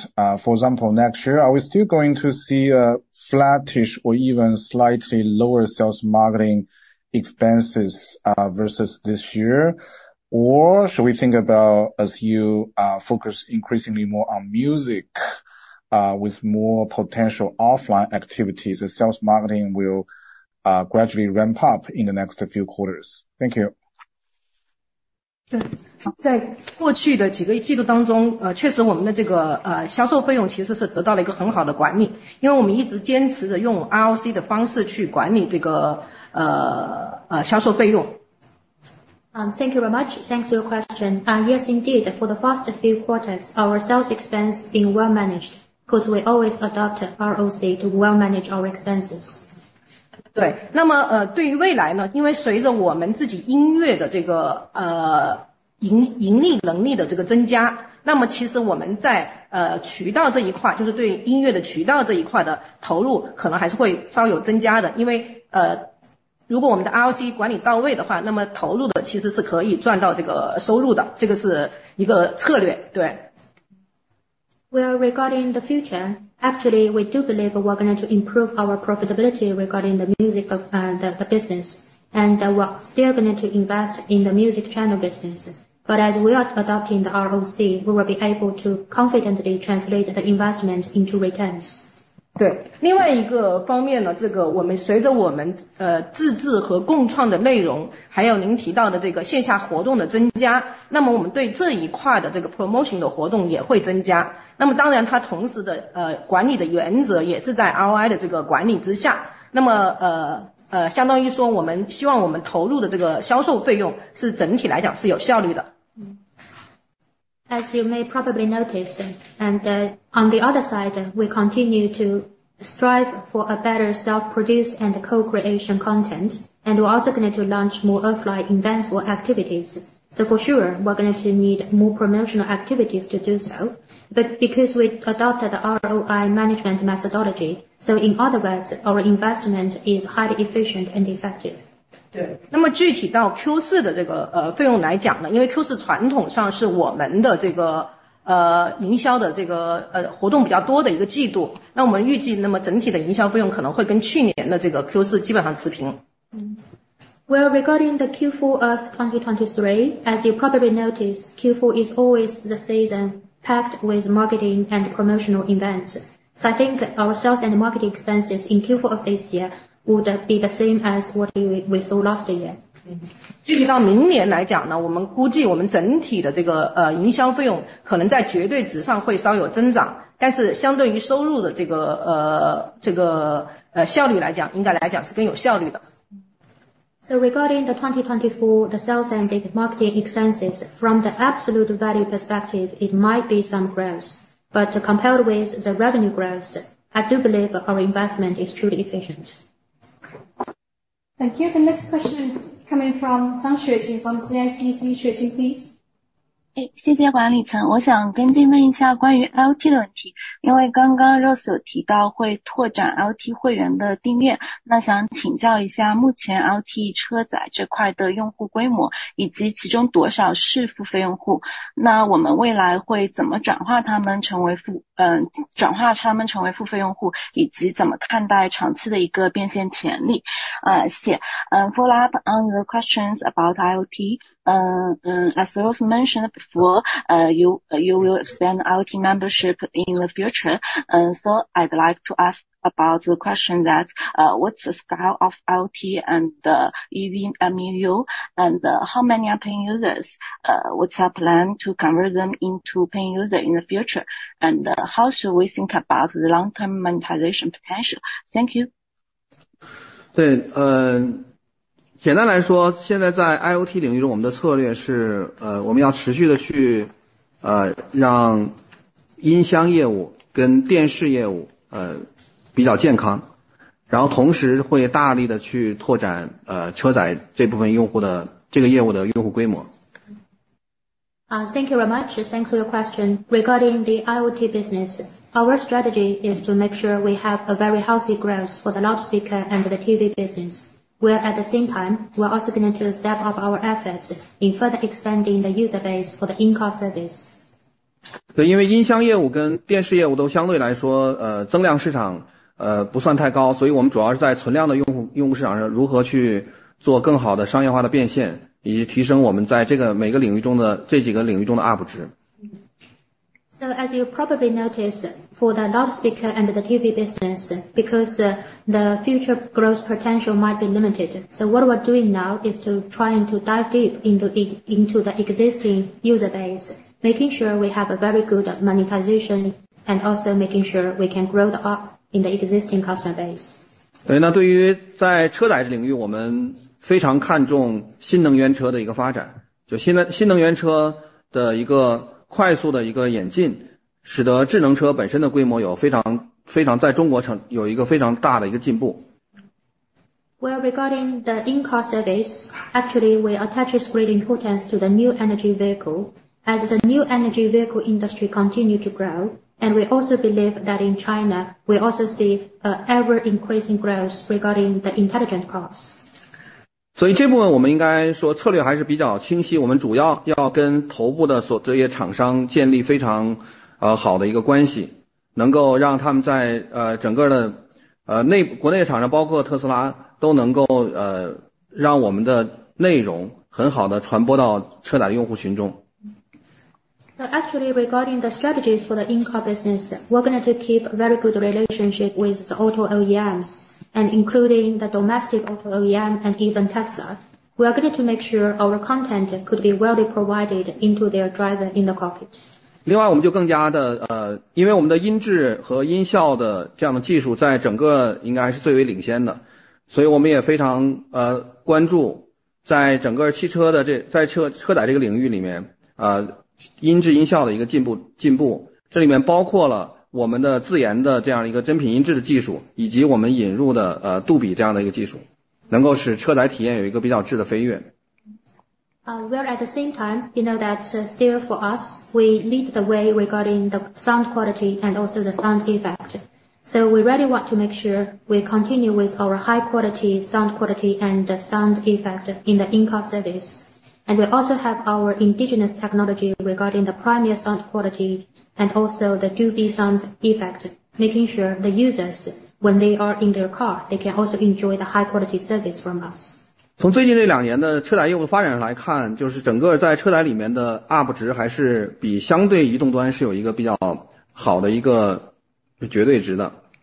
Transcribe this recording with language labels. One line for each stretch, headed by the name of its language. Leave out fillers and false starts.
English: For example, next year, are we still going to see a flattish or even slightly lower sales marketing expenses versus this year? Or should we think about as you focus increasingly more on music with more potential offline activities, the sales marketing willgradually ramp up in the next few quarters. Thank you.
Chinese: 在过去的几个季度当中确实我们的这个销售费用其实是得到了一个很好的管理，因为我们一直坚持着用 ROC 的方式去管理这个销售费用。
English: Thank you very much. Thanks for your question. Yes, indeed. For the first few quarters, our sales expense been well managed because we always adopt ROC to well manage our expenses.
Chinese: 对，那么对于未来呢，因为随着我们自己音乐的这个盈利能力的这个增加，那么其实我们在渠道这一块，就是对音乐的渠道这一块的投入可能还是会稍有增加的，因为如果我们的 ROC 管理到位的话，那么投入的其实是可以赚到这个收入的，这个是一个策略。对。
English: Well, regarding the future, actually, we do believe we're going to improve our profitability regarding the music of the business, and we're still going to invest in the music channel business. But as we are adopting the ROC, we will be able to confidently translate the investment into returns.
Chinese: 对，另外一个方面呢，这个我们随着我们自制和共创的内容，还有您提到的这个线下活动的增加，那么我们对这一块的这个 promotion 的活动也会增加。那么当然它同时的管理的原则也是在 ROI 的这个管理之下。那么相当于说我们希望我们投入的这个销售费用是整体来讲是有效率的。
English: As you may probably noticed, and on the other side, we continue to strive for a better self-produced and co-creation content, and we're also going to launch more offline events or activities. So for sure, we're going to need more promotional activities to do so. But because we adopted the ROI management methodology, so in other words, our investment is highly efficient and effective.
Chinese: 对，那么具体到 Q4 的这个费用来讲呢，因为 Q4 传统上是我们的这个营销的这个活动比较多的一个季度，那我们预计那么整体的营销费用可能会跟去年的这个 Q4 基本上持平。
English: Well, regarding the Q4 of 2023, as you probably notice, Q4 is always the season packed with marketing and promotional events. So I think our sales and marketing expenses in Q4 of this year. Would be the same as what we saw last year.
Chinese: 具体到明年来讲呢，我们估计我们整体的这个营销费用可能在绝对值上会稍有增长，但是相对于收入的这个效率来讲，应该来讲是更有效率的。
English: So regarding the 2024, the sales and marketing expenses, from the absolute value perspective, it might be some growth, but compared with the revenue growth, I do believe our investment is truly efficient. Thank you. The next question coming from 张雪晴 from CICC. 雪晴 please.
Chinese: 谢谢管理层，我想跟进问一下关于 IoT 的问题，因为刚刚 Rose 有提到会拓展 IoT 会员的订阅，那想请教一下目前 IoT 车载这块的用户规模，以及其中多少是付费用户，那我们未来会怎么转化他们成为付费用户，以及怎么看待长期的一个变现潜力。
English: Follow up on the questions about IoT. As Rose mentioned before, you will expand IoT membership in the future. So I'd like to ask about the question that, what's the scale of IoT and the EV MUU and how many are paying users? What's our plan to convert them into paying users in the future? And how should we think about the long-term monetization potential? Thank you.
Chinese: 对，简单来说，现在在 IoT 领域中，我们的策略是，我们要持续的去，让音箱业务跟电视业务，比较健康，然后同时会大力的去拓展，车载这部分用户的这个业务的用户规模。
English: Thank you very much. Thanks for your question. Regarding the IoT business, our strategy is to make sure we have a very healthy growth for the loudspeaker and the TV business. Where at the same time, we're also going to step up our efforts in further expanding the user base for the in-car service.
Chinese: 对，因为音箱业务跟电视业务都相对来说，增量市场不算太高，所以我们主要是在存量的用户市场上如何去做更好的商业化的变现，以及提升我们在这个每个领域中的这几个领域中的 UP 值。
English: So as you probably notice, for the loudspeaker and the TV business, because the future growth potential might be limited, so what we're doing now is to trying to dive deep into the existing user base, making sure we have a very good monetization and also making sure we can grow up in the existing customer base.
Chinese: 对，那对于在车载领域，我们非常看重新能源车的一个发展，就新能源车的一个快速的一个演进，使得智能车本身的规模有非常非常在中国成有一个非常大的一个进步。
English: Well, regarding the in-car service, actually we attach great importance to the new energy vehicle. As the new energy vehicle industry continue to grow, and we also believe that in China, we also see an ever-increasing growth regarding the intelligent cars.
Chinese: 所以这部分我们应该说策略还是比较清晰，我们主要要跟头部的所这些厂商建立非常好的一个关系，能够让他们在整个的内国内的厂商包括特斯拉都能够让我们的内容很好的传播到车载的用户群中。
English: So actually regarding the strategies for the in-car business, we're going to keep a very good relationship with the auto OEMs and including the domestic auto OEM and even Tesla. We are going to make sure our content could be well provided into their driver in the cockpit.
Chinese: 另外我们就更加的因为我们的音质和音效的这样的技术在整个应该是最为领先的，所以我们也非常关注在整个汽车的这在车载这个领域里面音质音效的一个进步，这里面包括了我们的自研的这样一个真品音质的技术，以及我们引入的杜比这样的一个技术，能够使车载体验有一个比较质的飞跃。
English: Well, at the same time, you know that still for us, we lead the way regarding the sound quality and also the sound effect. So we really want to make sure we continue with our high quality sound quality and sound effect in the in-car service. And we also have our indigenous technology regarding the premier sound quality and also the Dolby sound effect, making sure the users, when they are in their car, they can also enjoy the high quality service from us.
Chinese: 从最近这两年的车载业务发展来看，就是整个在车载里面的 UP 值还是比相对移动端是有一个比较好的一个绝对值的。